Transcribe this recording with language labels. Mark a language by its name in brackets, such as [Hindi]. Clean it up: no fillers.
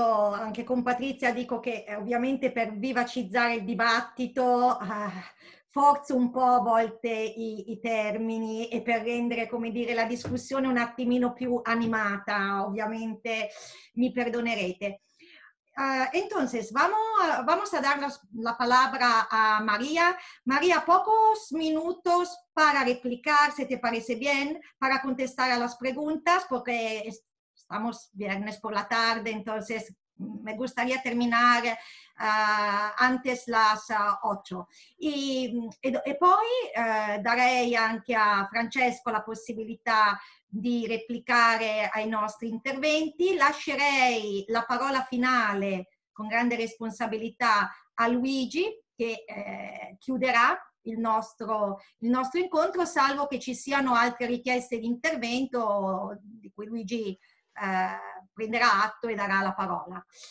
[Italian] Anche con Patrizia dico che ovviamente per vivacizzare il dibattito forzo un po' a volte i termini e per rendere, come dire, la discussione un attimino più animata, ovviamente mi perdonerete. [Spanish] Entonces, vamos a dar la palabra a María. María, pocos minutos para replicar, si te parece bien, para contestar a las preguntas, porque estamos viernes por la tarde, entonces me gustaría terminar antes las 8. [Italian] Y poi darei anche a Francesco la possibilità di replicare ai nostri interventi. Lascerei la parola finale con grande responsabilità a Luigi, che chiuderà il nostro incontro, salvo che ci siano altre richieste di intervento di cui Luigi prenderà atto e darà la parola.